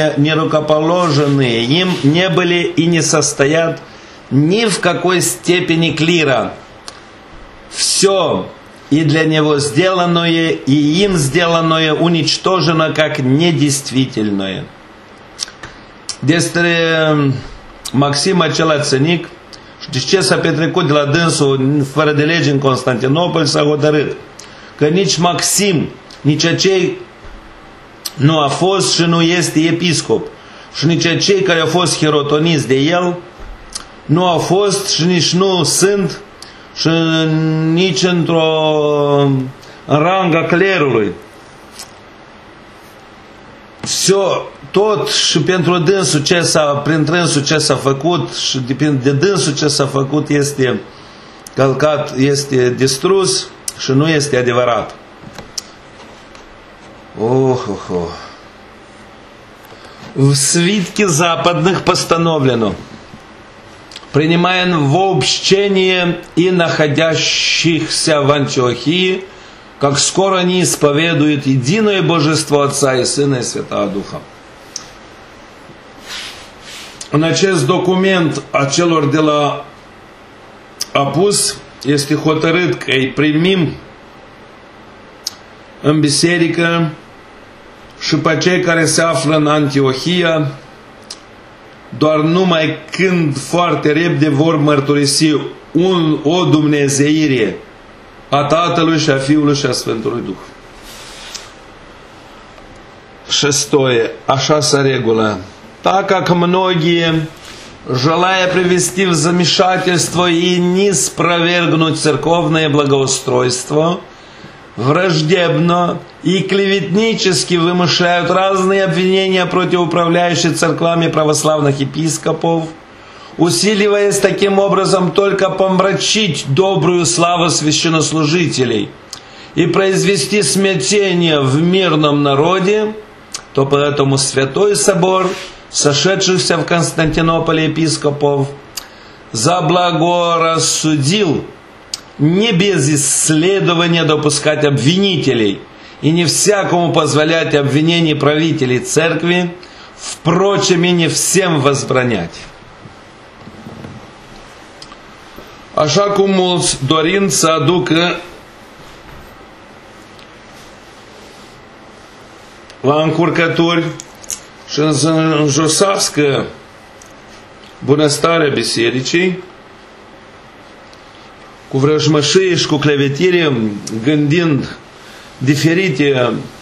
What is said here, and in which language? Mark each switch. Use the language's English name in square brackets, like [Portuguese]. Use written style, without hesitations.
[Russian] Нерукоположенные им не были и не состоят ни в какой степени клира. Все и для него сделанное, и им сделанное уничтожено как недействительное. [Romanian] Despre Maxim, acela ținic, știți ce s-a petrecut de la dânsul fără de lege în Constantinopol, s-a hotărât că nici Maxim, nici acei nu a fost și nu este episcop și nici acei care au fost hirotoniți de el nu au fost și nici nu sunt și nici într-o ranga clerului. [Russian] Все, [Romanian] tot și pentru dânsul ce s-a, prin dânsul ce s-a făcut și depind de dânsul ce s-a făcut este călcat, este distrus și nu este adevărat. Ох-хо-хо. [Russian] В свитке западных постановлено, принимая в общение и находящихся в Антиохии, как скоро они исповедуют единое Божество Отца и Сына и Святого Духа. [Romanian] În acest document a celor de la Apus este hotărât că îi primim în biserică și pe cei care se află în Antiohia, doar numai când foarte repede vor mărturisi o dumnezeire a Tatălui și a Fiului și a Sfântului Duh. [Russian] Шестое, [Romanian] а шаса регула. [Russian] Так как многие, желая привести в замешательство и не спровергнуть церковное благоустройство, враждебно и клеветнически вымышляют разные обвинения против управляющих церквами православных епископов, усиливаясь таким образом только помрачить добрую славу священнослужителей и произвести смятение в мирном народе, то поэтому Святой Собор, сошедшихся в Константинополе епископов, заблагорассудил не без исследования допускать обвинителей и не всякому позволять обвинений правителей церкви, впрочем, и не всем возбранять. [Romanian] Așa cum mulți dorind să aducă la încurcături și să înjosească bunăstarea bisericii, cu vrăjmășie și cu clevetire, gândind diferite